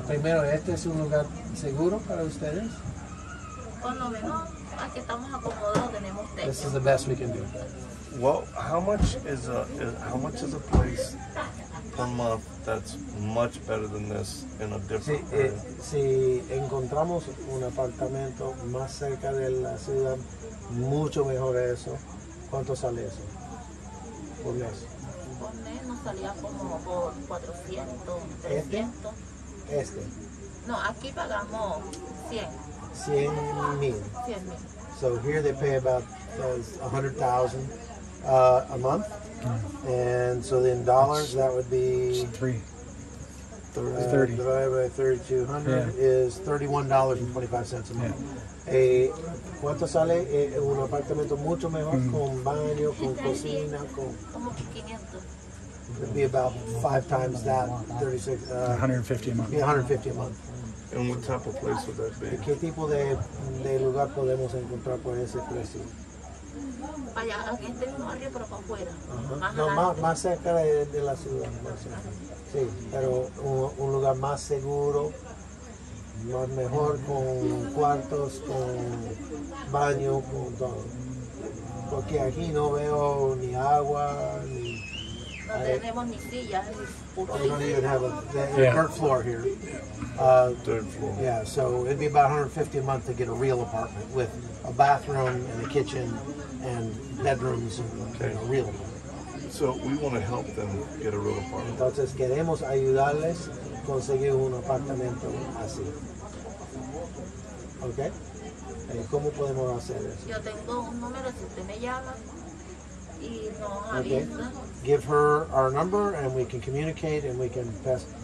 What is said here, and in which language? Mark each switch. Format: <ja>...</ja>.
<es>Primero, ¿este es un lugar seguro para ustedes? Por lo menos, aquí estamos acomodados, tenemos techo.</es> <en>This is the best we can do. Well, how much is a place per month that's much better than this in a different area?</en> <es>Si encontramos un apartamento más cerca de la ciudad, mucho mejor eso. ¿Cuánto sale eso? Por mes. Por mes nos salía como por 400, 300. ¿Este? No, aquí pagamos</es> <en>100. 100,000. 100,000. So here they pay about 100,000. A month, mm-hmm. And so then dollars, that's, that would be $31.25 a month. Yeah.</en> <es>¿Cuánto sale un apartamento mucho mejor, mm-hmm. con baño, con cocina, con?</es> <en>It would be about five times that, 36. 150 a month. Yeah, 150 a month. And what type of place would that be?</en> <es>¿Qué tipo de lugar podemos encontrar por ese precio? Uh-huh. No, más cerca de la ciudad, más cerca. Sí, pero un lugar más seguro, más mejor, con cuartos, con baño, con todo. Porque aquí no veo ni agua, ni... No tenemos ni sillas.</es> <en>We don't even have a dirt floor here. Dirt floor. Yeah, so it'd be about $150 a month to get a real apartment with a bathroom and a kitchen and bedrooms, okay. And a real apartment. So we want to help them get a real apartment.</en> <es>Entonces queremos ayudarles a conseguir un apartamento así. Okay? ¿Cómo podemos hacer eso? Yo tengo un número, si usted me llama y nos avisa.</es> <en>Give her our number and we can communicate and we can pass.</en>